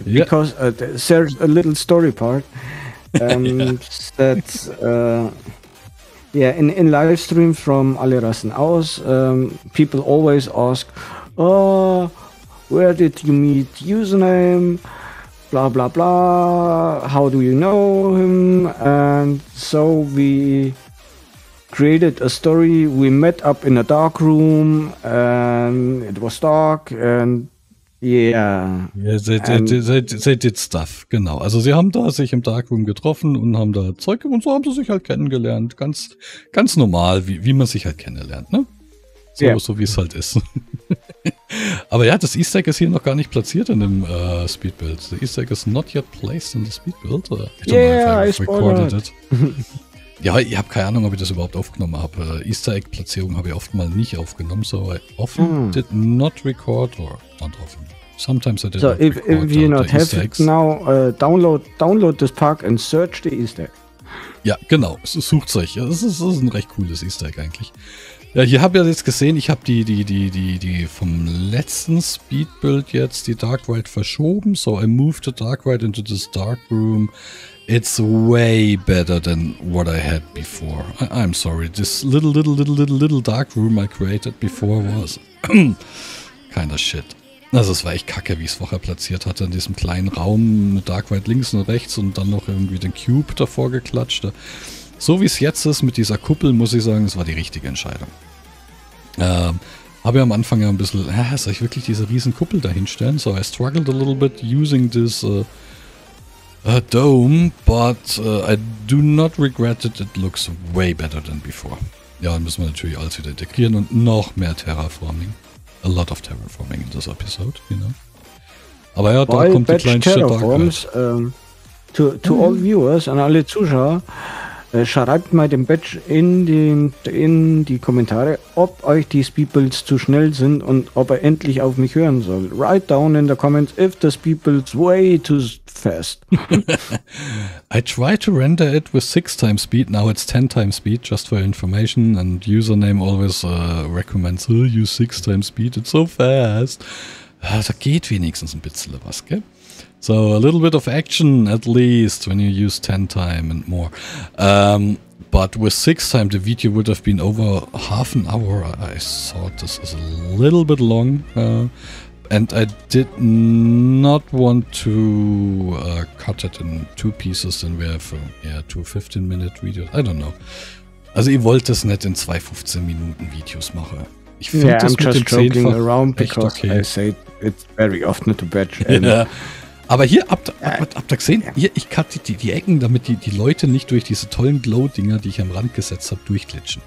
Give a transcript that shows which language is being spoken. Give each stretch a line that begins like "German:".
English: Because there's a little story part in live stream from Alle Rassen aus, people always ask, oh, where did you meet username, blah blah blah, how do you know him? And so we created a story. We met up in a dark room and it was dark and they did stuff,
German: genau. Also sie haben da sich im Darkroom getroffen und haben da Zeug und so haben sie sich halt kennengelernt. Ganz, ganz normal, wie man sich halt kennenlernt, ne? So wie es halt ist. Aber ja, das Easter Egg ist hier noch gar nicht platziert in dem Speedbuild.
English: The Easter Egg is not yet placed in the Speedbuild. I recorded it.
German: Ja, ich habe keine Ahnung, ob ich das überhaupt aufgenommen habe. Easter Egg Platzierung habe ich oft mal nicht aufgenommen,
English: so I often did not record or not often. Sometimes I did. So if you not have Easter Eggs. It now, download this park and search the Easter Egg.
German: Ja, genau. Sucht's euch. Das ist ein recht cooles Easter Egg eigentlich. Ja, hier habe ich jetzt gesehen, ich habe die vom letzten Speedbuild jetzt die Dark Ride verschoben.
English: So I moved the Dark Ride into this Dark Room. It's way better than what I had before. I'm sorry. This little dark room I created before was Kinda shit.
German: Also es war echt kacke, wie ich es vorher platziert hatte, in diesem kleinen Raum mit Dark White links und rechts und dann noch irgendwie den Cube davor geklatscht. So wie es jetzt ist mit dieser Kuppel, muss ich sagen, es war die richtige Entscheidung. Habe ja am Anfang ja ein bisschen, soll ich wirklich diese riesen Kuppel da hinstellen?
English: So I struggled a little bit using this dome, but I do not regret it, it looks way better than before.
German: Ja, dann müssen wir natürlich alles wieder integrieren und noch mehr Terraforming.
English: A lot of Terraforming in this episode, you know.
German: Aber ja, da kommt die kleine Terraforms,
English: to all viewers,
German: an alle Zuschauer, schreibt mal den Badge in die Kommentare, ob euch die Speedbuilds zu schnell sind und ob er endlich auf mich hören soll.
English: Write down in the comments if the Speedbuilds way too fast. I try to render it with 6x speed, now it's 10x speed, just for information, and username always recommends, use 6x speed, it's so fast.
German: Da geht wenigstens ein bisschen was, gell?
English: So, a little bit of action at least when you use 10x and more. But with 6x the video would have been over half an hour. I thought this is a little bit long. And I did not want to cut it in two pieces, then we have two 15-minute videos. I don't know.
German: Also, ihr wollt das nicht in zwei 15-Minuten Videos machen. Ich finde das
English: I'm just joking around because okay. I say it's very often to batch.
German: Aber hier, habt ihr gesehen? Ja. Hier, ich cutte die Ecken, damit die Leute nicht durch diese tollen Glow-Dinger, die ich am Rand gesetzt habe, durchglitschen.